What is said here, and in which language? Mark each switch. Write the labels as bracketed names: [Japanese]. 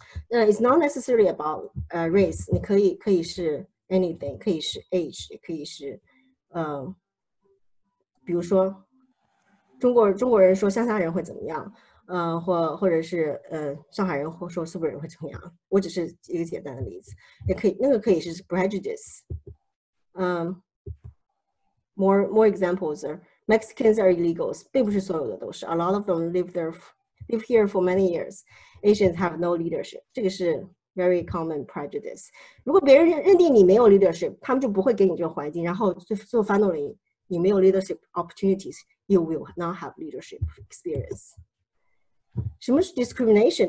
[English] It's not necessarily about race, [Chinese] 你可以是 anything, 可以是 age, 也可以是比如说中国人说乡下人会怎么样。或者是上海人或说苏北人会怎么样，我只是一个简单的例子，也可以那个可以是 prejudice。 [English] More examples are Mexicans are illegals, [Chinese] 并不是所有的都是 [English] ，a lot of them live here for many years. Asians have no leadership, [Chinese] 这个是 [English] very common prejudice。 [Chinese] 如果别人认定你没有 leadership, 他们就不会给你这个环境，然后最后 finally 你没有 leadership opportunities, [English] you will not have leadership experience. [Chinese] 什么是 discrimination?